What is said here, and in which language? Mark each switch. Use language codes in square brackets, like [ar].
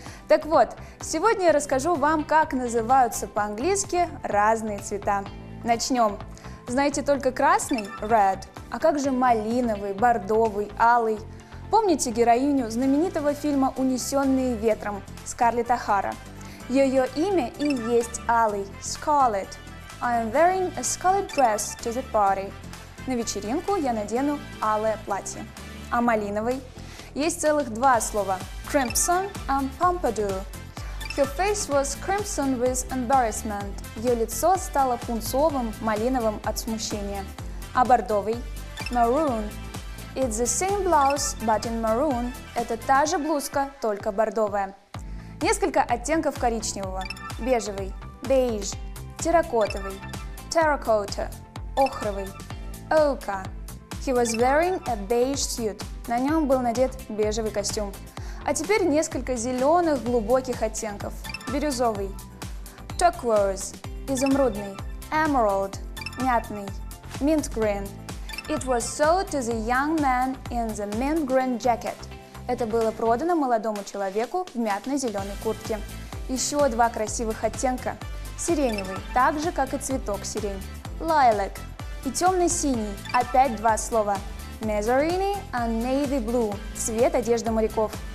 [ru] Так вот, сегодня я расскажу вам, как называются по-английски разные цвета. Начнем. Знаете только красный – red, а как же малиновый, бордовый, алый? Помните героиню знаменитого фильма «Унесенные ветром» Скарлетт О'Хара? Ее имя и есть алый – Scarlet. [en] I am wearing a scarlet dress to the party. [ru] На вечеринку я надену алое платье. А малиновый? Есть целых два слова – [en] crimson and pompadour. Her face was crimson with embarrassment. [ru] Ее лицо стало пунцовым, малиновым от смущения. А бордовый? Maroon. [en] It's the same blouse, but in maroon. [ru] Это та же блузка, только бордовая. Несколько оттенков коричневого. Бежевый. Beige. Терракотовый. Terracotta. Охровый. Ochre. [en] He was wearing a beige suit. [ru] На нем был надет бежевый костюм. А теперь несколько зеленых глубоких оттенков. Бирюзовый. Turquoise. Изумрудный. Emerald. Мятный. Mint green. [en] It was sold to the young man in the mint green jacket. [ru] Это было продано молодому человеку в мятной зеленой куртке. Еще два красивых оттенка. Сиреневый, так же, как и цветок сирень. Lilac. И темно-синий. Опять два слова. [en] Mezzarini and navy blue. [ru] Цвет одежды моряков.